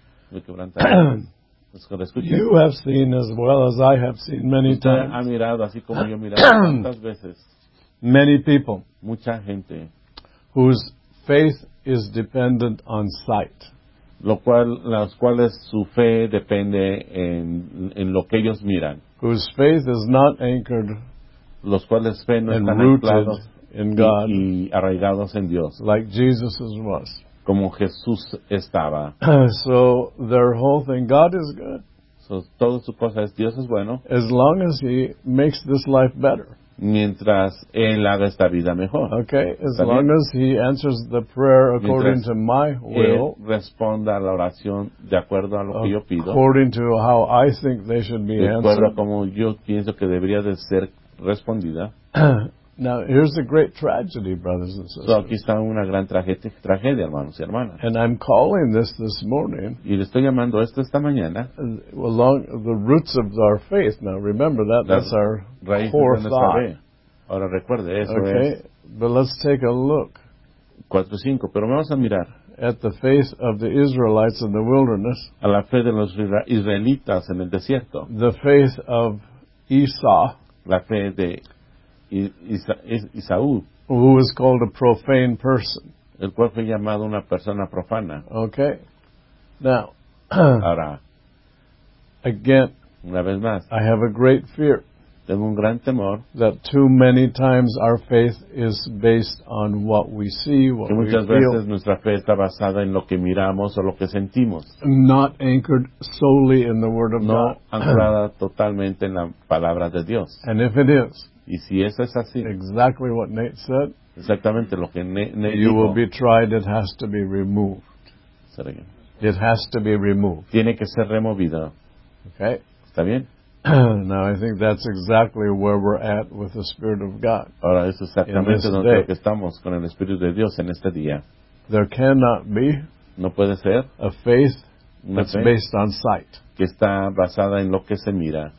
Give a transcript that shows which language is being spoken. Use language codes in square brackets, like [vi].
[en] You have seen as well as I have seen many [es] usted [en] times. [es] Ha mirado así como yo mirado tantas veces. [en] Many people. [es] Mucha gente. [en] Whose faith is dependent on sight. [es] Lo cual, las cuales su fe depende en lo que ellos miran. [en] Whose faith is not anchored [es] los cuales fe no [en] and [es] están [en] rooted in [es] y, [en] God [es] y arraigados en Dios. [en] Like Jesus was. [es] Como Jesús estaba. [en] So their whole thing, God is good. [es] So todo su cosa es Dios es bueno. [en] As long as he makes this life better. [es] Mientras él haga esta vida mejor. [en] Okay, as long as he answers the prayer according to my will, [es] él responda a la oración de acuerdo a lo que yo pido. [en] According to how I think they should be answered. [es] De acuerdo a como yo pienso que debería de ser respondida. [en] Now here's a great tragedy, brothers and sisters. [es] So aquí está una gran tragedia, hermanos y hermanas. [en] And I'm calling this morning. [es] Y le estoy llamando esto esta mañana. [en] Along the roots of our faith. Now remember that that's our [es] raíz [en] core thought. [es] Ahora recuerde eso. Okay, es. [en] But let's take a look. [es] 4:5. Pero vamos a mirar. [en] At the faith of the Israelites in the wilderness. [es] A la fe de los israelitas en el desierto. [en] The faith of Esau. [es] La fe de Isaú, [en] who was called a profane person. [es] El cual fue llamado una persona profana. [en] Okay. Now, [es] ahora, [en] again, [es] una vez más, [en] I have a great fear [es] tengo un gran temor [en] that too many times our faith is based on what we see, what [es] que [en] we [es] muchas [en] feel. [es] Veces nuestra fe está basada en lo que miramos o lo que sentimos. [en] Not anchored solely in the Word of [es] no [en] God. [es] No anclada totalmente en la palabra de Dios. [en] And if it is, [es] y si eso es así, [en] exactly what Nate said, [es] Exactamente lo que Nehemías. [en] You will be tried. It has to be removed. It has to be removed. [es] Tiene que ser removido. Okay. Está bien. [en] Now I think that's exactly where we're at with the Spirit of God. [es] Ahora es exactamente donde creo que estamos con el Espíritu de Dios en este día. [en] There cannot be. [es] No puede ser. [en] A faith that's based on sight. [es] Que está basada en lo que se mira.